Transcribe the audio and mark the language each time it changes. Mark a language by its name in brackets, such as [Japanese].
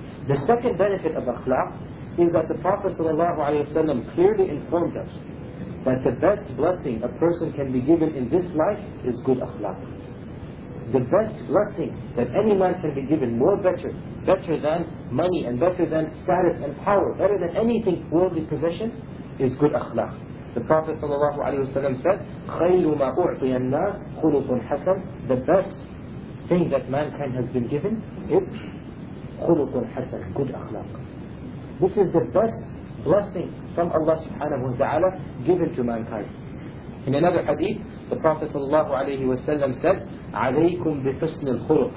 [English] The second benefit of akhlaq is that the Prophet ﷺ clearly informed us that the best blessing a person can be given in this life is good akhlaq. The best blessing that any man can be given, better than money and better than status and power, better than anything worldly possession, is good akhlaq. The Prophet ﷺ said, [Arabic] خَيْلُ مَا أُعْطِيَ النَّاسِ خُلُقٌ حَسَنٌ. [English] The best thing that mankind has been given is [Arabic] خُلُقٌ حَسَنٌ, [English] good akhlaq. This is the best blessing from Allah subhanahu wa ta'ala given to mankind. In another hadith, the Prophet sallallahu alayhi wa sallam said, [Arabic] عَلَيْكُمْ بِحُسْنِ الْخُلُقِ.